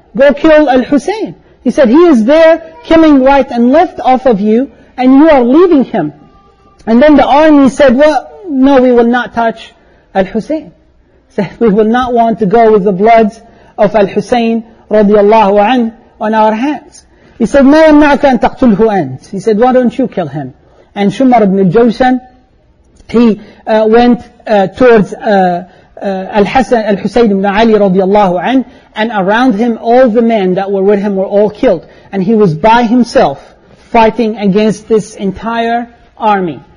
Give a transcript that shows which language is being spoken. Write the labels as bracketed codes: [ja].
[en] Go kill Al-Husayn. He said, he is there killing right and left off of you, and you are leaving him. And then the army said, well, no, we will not touch Al-Husayn. Said, we will not want to go with the blood of Al-Husayn radiallahu anhu on our hands. He said, [ar] مَا يَمْنَعَكَ أَن تَقْتُلْهُ أَنْتَ? [en] He said, why don't you kill him? And Shummar ibn al-Jawshan, he went towards Al-Hassan, Al-Husayn ibn Ali radiallahu anhu, and around him all the men that were with him were all killed. And he was by himself fighting against this entire army.